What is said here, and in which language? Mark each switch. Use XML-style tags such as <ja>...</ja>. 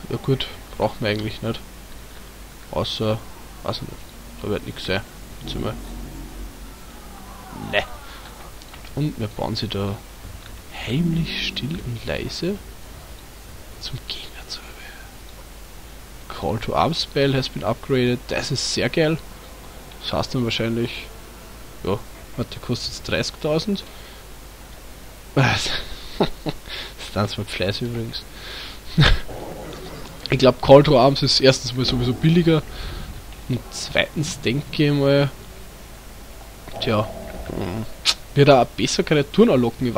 <de>Ja gut, brauchen wir eigentlich nicht. Außer, weiß ich nicht. Da wird nichts sein. Jetzt mal. Ne. Und wir bauen sie da heimlich, still und leise zum Gegner zu.</de> <en>Call to Arms Spell has been upgraded.</en> <de>Das ist sehr geil. Das heißt dann wahrscheinlich, ja. Warte, kostet jetzt 30.000. Was? Das tanzt mit Fleiß übrigens. Ich glaube, Call to Arms ist erstens mal sowieso billiger. Und zweitens denke ich mal, tja, wird auch besser Kreaturen erlocken.</de>